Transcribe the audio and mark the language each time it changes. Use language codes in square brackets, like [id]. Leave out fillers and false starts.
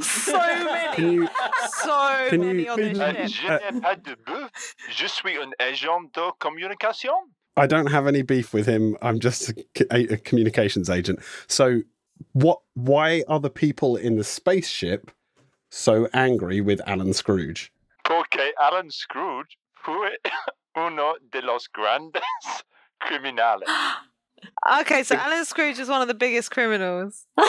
[en] So many. [fr] Je suis un agent de communication. [en] I don't have any beef with him. I'm just a communications agent. So, why are the people in the spaceship so angry with Alan Scrooge? [es] Porque Alan Scrooge fue uno de los grandes. Criminal. [en] Okay, so Alan Scrooge is one of the biggest criminals.